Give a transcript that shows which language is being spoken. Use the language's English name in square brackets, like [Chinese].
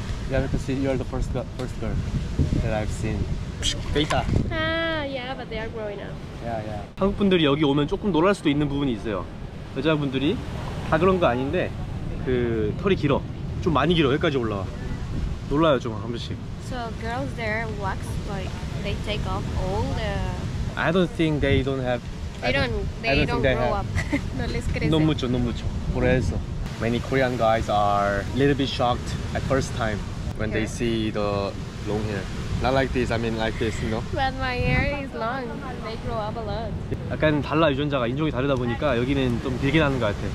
[English] You have to see, you're the first girl that I've seen. [Korean] 데이터. [English] 아, yeah, but they are growing up. Yeah, yeah. [Korean] 한국 분들이 여기 오면 조금 놀랄 수도 있는 부분이 있어요. 여자분들이 다 그런 거 아닌데 그 털이 길어. 좀 많이 길어. 여기까지 올라와. 놀라요, 좀 한 번씩. [English] So girls there wax like they take off all the. I don't think they don't have. They don't grow up. [Spanish] No, mucho, no mucho. Por eso. [English] Many Korean guys are a little bit shocked at first time when they see the long hair. Not like this, I mean like this, you know? When my hair is long, they grow up a lot. [Korean] 약간 달라, 유전자가. 인종이 다르다 보니까 여기는 좀 길게 나는 것 같아.